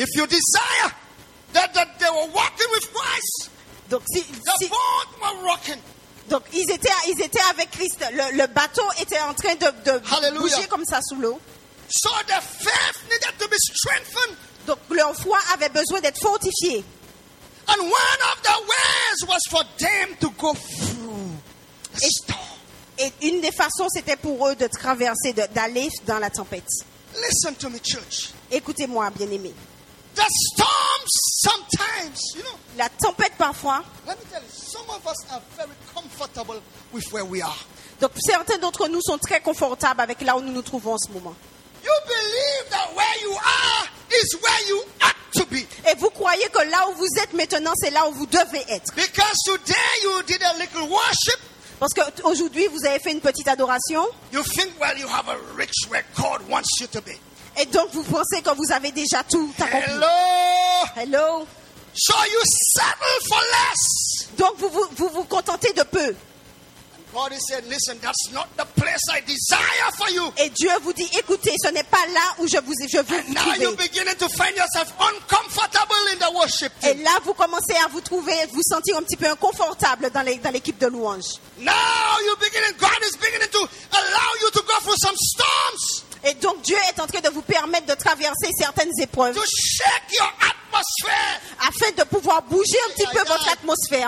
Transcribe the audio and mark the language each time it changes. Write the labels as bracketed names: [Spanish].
[English] If you desire that they were walking with Christ. [French] Donc si [English] both were walking. [French] Donc ils étaient avec Christ. Le bateau était en train de bouger comme ça sous l'eau. [English] So their faith needed to be strengthened. [French] Donc leur foi avait besoin d'être fortifiée. [English] And one of the ways was for them to go through a storm. [French] Et une des façons, c'était pour eux de traverser, d'aller dans la tempête. [English] Listen to me, church. [French] Écoutez-moi, bien-aimé. [English] The storms sometimes, you know, [French] La tempête parfois. [English] Let me tell you, some of us are very comfortable with where we are. [French] Donc certains d'entre nous sont très confortables avec là où nous nous trouvons en ce moment. [English] You believe that where you are is where you are. To be. [French] Et vous croyez que là où vous êtes maintenant, c'est là où vous devez être. [English] Because today you did a little worship. [French] Parce qu'aujourd'hui, vous avez fait une petite adoration. [English] You think, well, you have a rich where God wants you to be. [French] Et donc, vous pensez que vous avez déjà tout accompli. [English] Hello. [French] Hello. [English] So you settle for less. [French] Donc, vous contentez de peu. [English] And God is saying, listen, that's not the place I desire for you. [French] Et Dieu vous dit, écoutez, ce n'est pas là où je veux vous trouver. [English] And now you're beginning to find yourself uncomfortable in the worship team. [French] Et là, vous commencez à vous sentir un petit peu inconfortable dans l'équipe de louange. [English] Now you're beginning, God is beginning to allow you to go through some storms. [French] Et donc Dieu est en train de vous permettre de traverser certaines épreuves. [English] To shake your atmosphere. [French] Afin de pouvoir bouger un petit peu votre atmosphère.